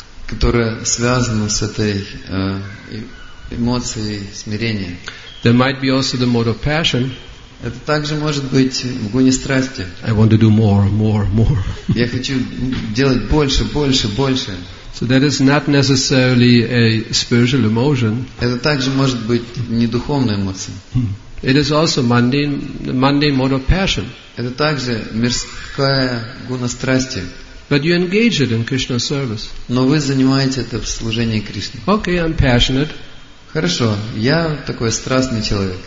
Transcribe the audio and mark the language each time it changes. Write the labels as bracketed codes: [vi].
[ru] Которая связана с этой эмоцией смирения. [en] There might be also the mode of passion. [ru] Это также может быть в гуне страсти. [en] I want to do more, more, more. [ru] Я хочу делать больше, больше, больше. [en] So that is not necessarily a spiritual emotion. [ru] Это также может быть не духовная эмоция. [en] It is also mundane mode of passion. [ru] Это также мирская гуна страсти. [en] But you engage it in Krishna service. [ru] Но вы занимаете это в служении Кришне. [en] Okay, I'm passionate. [ru] Хорошо, я такой страстный человек.